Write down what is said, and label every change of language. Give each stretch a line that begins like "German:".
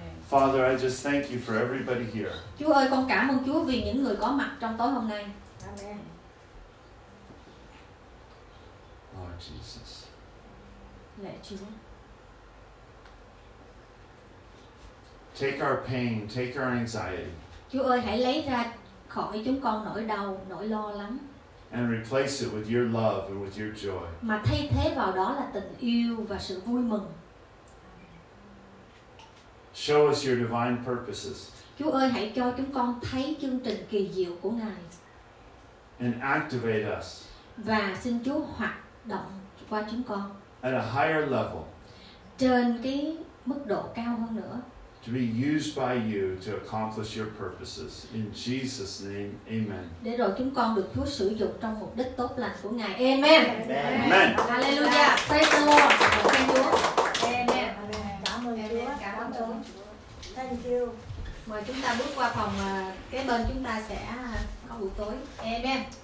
English: Father, I just thank you for everybody here.
Vietnamese: Chúa ơi, con cảm ơn Chúa vì những người có mặt trong tối hôm nay.
English: Amen. Lord Jesus.
Vietnamese: Lạy Chúa.
English: Take our pain, take our anxiety.
Vietnamese: Chúa ơi, hãy lấy ra khỏi chúng con nỗi đau, nỗi lo lắng.
English: And replace it with your love and with your joy.
Vietnamese: Mà thay thế vào đó là tình yêu và sự vui mừng.
English: Show us your divine purposes.
Vietnamese: Chúa ơi, hãy cho chúng con thấy chương trình kỳ diệu của Ngài.
English: And activate us.
Vietnamese: Và xin Chúa hoạt động qua chúng con.
English: At a higher level.
Vietnamese: Trên cái mức độ cao hơn nữa.
English: To be used by you to accomplish your purposes. In Jesus' name, amen.
Vietnamese: Để rồi chúng con được Chúa sử dụng trong mục đích tốt lành của Ngài.
English: Amen. Amen. Amen. Hallelujah. Praise the Lord. Thank you. Amen.
Vietnamese: Cảm ơn Chúa.
English: Thank you.
Vietnamese: Mời chúng ta bước qua phòng kế bên, chúng ta sẽ có buổi tối. Amen.